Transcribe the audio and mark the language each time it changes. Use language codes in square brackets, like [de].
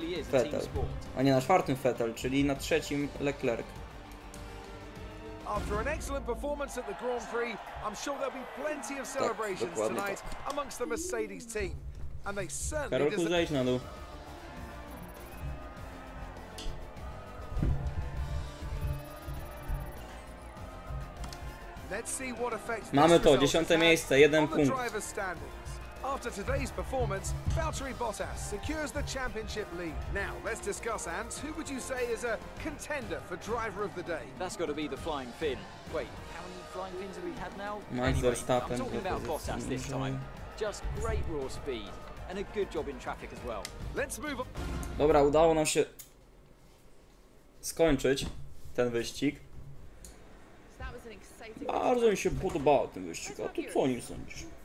[pl] Vettel. A nie, na czwartym Vettel, czyli na trzecim Leclerc. [en] After an excellent performance at the Grand Prix, I'm sure there'll be plenty of celebrations tonight amongst the Mercedes team. And they certainly [pl] Karol, tu zejdź na dół. [en] Let's see what effect. [pl] Mamy to, 10. miejsce, jeden punkt. [en] After today's performance, Valtteri Bottas secures the championship lead. Now, let's discuss, Ant. Who would you say is a contender for driver of the day? That's got to be the flying fin. Wait, how many flying fins have we had now? Anyway, I'm talking about Bottas this time. Just great raw speed and a good job in traffic as well. Let's move on. [pl] Dobra, udało nam się skończyć ten wyścig. Bardzo mi się podobał ten wyścig, a to co nie sądzisz?